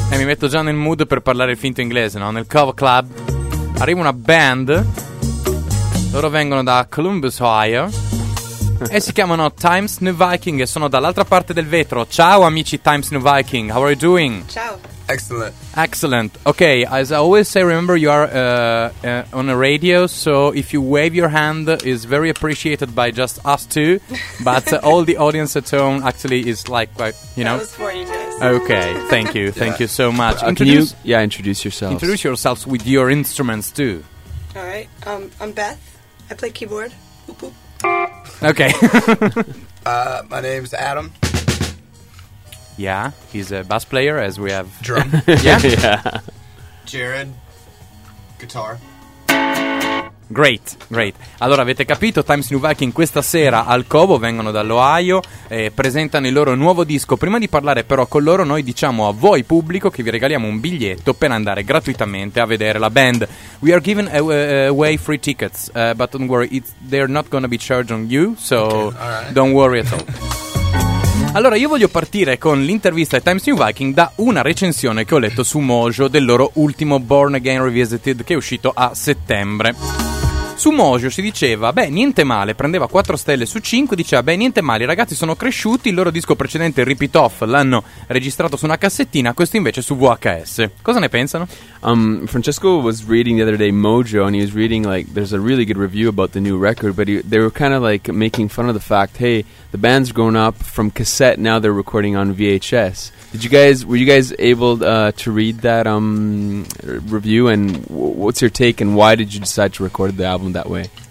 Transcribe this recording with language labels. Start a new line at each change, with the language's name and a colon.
Italian: E mi metto già nel mood per parlare il finto inglese, no? Nel Covo Club arriva una band. Loro vengono da Columbus, Ohio. E si chiamano Times New Viking e sono dall'altra parte del vetro. Ciao amici
English: Times New Viking, how are you doing?
Italian: Ciao.
English: Excellent. Excellent. Okay, as I always say, remember you are on a radio, so if you wave your hand is very appreciated by just us two. But all the audience at home actually is like you know. That was for you guys. Okay, thank you, thank you so much. Introduce yourselves. Introduce yourselves with your instruments too. Alright, I'm Beth, I play keyboard. Okay. My name's Adam. Yeah, he's a bass player as we have drum. Yeah. Yeah. Jared, guitar. Great, great.
Italian: Allora avete capito, Times New Viking questa sera al Covo, vengono dall'Ohio e presentano il loro nuovo disco. Prima di parlare però con loro, noi diciamo a voi pubblico che vi regaliamo un biglietto per andare gratuitamente a vedere la band.
English: We are giving away free tickets, but don't worry, they're not gonna be charged on you, so don't worry at all.
Italian: Allora, io voglio partire con l'intervista ai Times New Viking da una recensione che ho letto su Mojo del loro ultimo Born Again Revisited, che è uscito a settembre. Su Mojo si diceva, beh, niente male, prendeva 4 stelle su 5, diceva, beh, niente male, i ragazzi sono cresciuti, il loro disco precedente, Rip It Off, l'hanno registrato su una cassettina, questo invece su VHS. Cosa ne pensano?
English: Francesco was reading the other day Mojo, and he was reading, like, there's a really good review about the new record, but they were kind of, like, making fun of the fact, hey, the band's grown up from cassette, now they're recording on VHS. Were you guys able to read that review, and what's your take, and why did you decide to record the album that way?